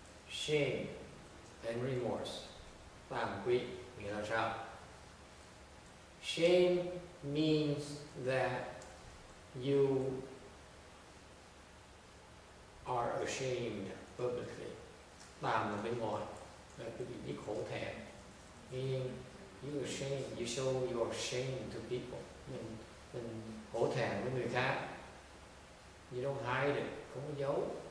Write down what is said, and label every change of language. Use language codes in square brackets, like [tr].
[en] Shame and remorse. [vi] Tàm quý nghĩa là sao? [en] Shame means that you are ashamed publicly. [vi] Tàm là bên ngoài, là cái gì biết khổ thẹn. [en] Meaning you are ashamed, you show your shame to people. [vi] Mình khổ thẹn với người khác. [en] You don't hide it, [vi] không giấu.